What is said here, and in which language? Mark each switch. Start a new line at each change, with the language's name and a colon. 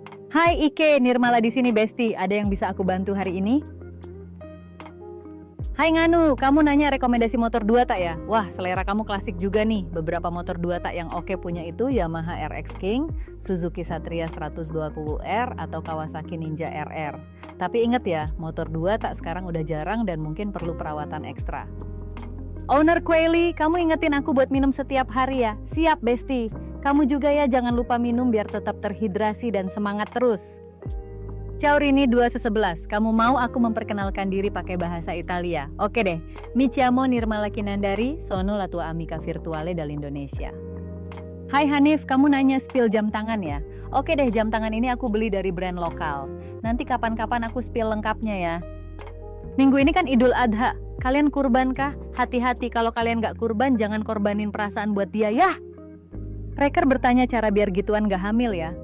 Indonesian: Hai Ike, Nirmala di sini Besti. Ada yang bisa aku bantu hari ini? Hai Nganu, kamu nanya rekomendasi motor 2 tak ya? Wah, selera kamu klasik juga nih. Beberapa motor 2 tak yang oke punya itu Yamaha RX King, Suzuki Satria 120R, atau Kawasaki Ninja RR. Tapi inget ya, motor 2 tak sekarang udah jarang dan mungkin perlu perawatan ekstra. Owner Quelly, kamu ingetin aku buat minum setiap hari ya? Siap, Besti. Kamu juga ya, jangan lupa minum biar tetap terhidrasi dan semangat terus. Ciao Rini 2/11, kamu mau aku memperkenalkan diri pakai bahasa Italia? Oke deh,
Italian: mi chiamo Nirmala Kinandari, sono la tua amica virtuale dall'Indonesia.
Indonesian: Hai Hanif, kamu nanya spill jam tangan ya? Oke deh, jam tangan ini aku beli dari brand lokal. Nanti kapan-kapan aku spill lengkapnya ya. Minggu ini kan Idul Adha, kalian kurban kah? Hati-hati, kalau kalian gak kurban, jangan korbanin perasaan buat dia, yah! Reker bertanya cara biar gituan gak hamil ya?